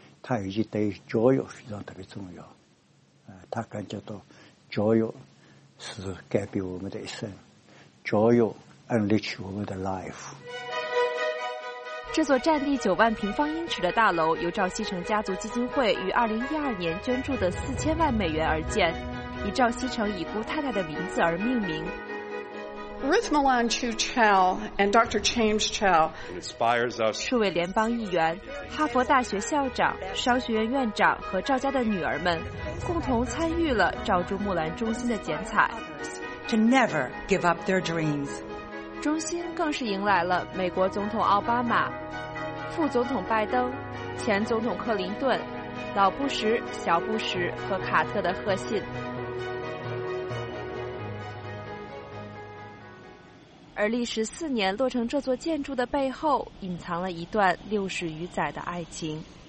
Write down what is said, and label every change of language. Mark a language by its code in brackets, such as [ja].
[zh] 他尤其对教育非常特别重要，他感觉到教育是改变我们的一生，教育 [en] enrich [zh] 我们的 [en] life。 [zh] 这座占地9万平方英尺的大楼由赵锡成家族基金会于2012年捐助的4000万美元而建，以赵锡成已故太太的名字而命名。 [en] Ruth Malan Chu Chow and Dr. James Chow inspires us. [zh] 数位联邦议员、哈佛大学校长、商学院院长和赵家的女儿们共同参与了赵朱木兰中心的剪彩。 [en] To never give up their dreams. [zh] 中心更是迎来了美国总统奥巴马、副总统拜登、前总统克林顿、老布什、小布什和卡特的贺信。而历时4年落成这座建筑的背后，隐藏了一段60余载的爱情。